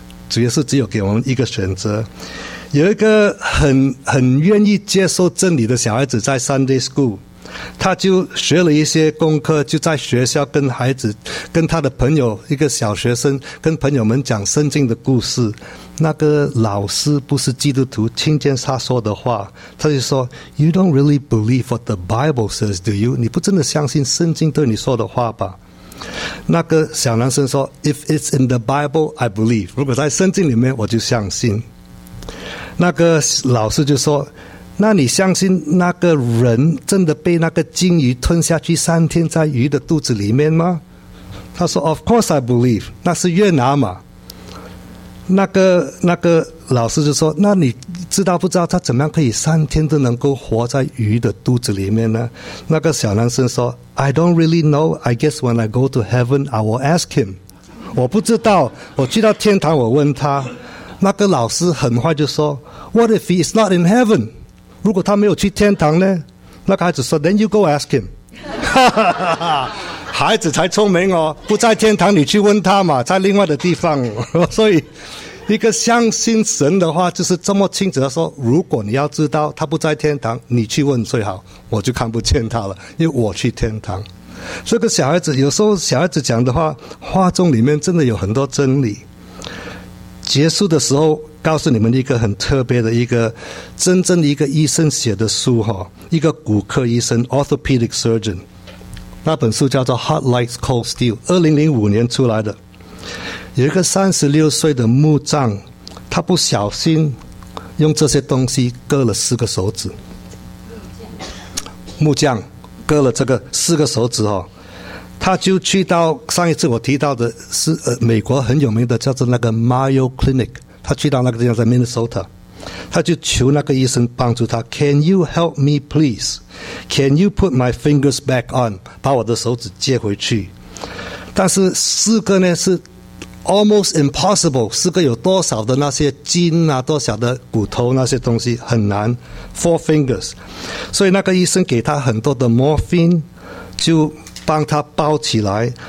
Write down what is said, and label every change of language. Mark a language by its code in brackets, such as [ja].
[zh] 主耶稣只有给我们一个选择。有一个很愿意接受真理的小孩子在 Sunday School， 他就学了一些功课，就在学校跟孩子、跟他的朋友，一个小学生跟朋友们讲圣经的故事。那个老师不是基督徒，听见他说的话，他就说 [en] You don't really believe what the Bible says, do you? [zh] 你不真的相信圣经对你说的话吧？那个小男生说 [en] If it's in the Bible, I believe. [zh] 如果在圣经里面，我就相信。那个老师就说，那你相信那个人真的被那个金鱼吞下去三天在鱼的肚子里面吗？他说 [en] Of course I believe. [zh] 那是越南嘛。那个老师就说，那你知道不知道他怎么样可以三天都能够活在鱼的肚子里面呢？那个小男生说 [en] I don't really know, I guess when I go to heaven I will ask him. [zh] 我不知道，我去到天堂我问他。那个老师很快就说 [en] What if he is not in heaven? [zh] 如果他没有去天堂呢？那个孩子说 [en] Then you go ask him. [zh] 孩子才聪明哦，不在天堂你去问他嘛，在另外的地方。所以一个相信神的话就是这么清楚的说，如果你要知道他不在天堂，你去问最好，我就看不见他了，因为我去天堂。这个小孩子有时候小孩子讲的话，话中里面真的有很多真理。结束的时候告诉你们一个很特别的一个真正的一个医生写的书，一个骨科医生 Orthopedic Surgeon，那本书叫做 Hot Lights Cold Steel， 2005年出来的。有一个36岁的木匠，他不小心用这些东西割了四个手指。木匠割了这个四个手指哦，他就去到上一次我提到的是美国很有名的叫做那个 Mayo Clinic， 他去到那个地方在 Minnesota， 他就求那个医生帮助他， [en] Can you help me please? Can you put my fingers back on? [zh] 把我的手指接回去。但是四个呢是 almost impossible， 四个有多少的那些筋啊，多少的骨头那些东西，很难。 [en] Four fingers。 [zh] 所以那个医生给他很多的 morphine， 就帮他包起来。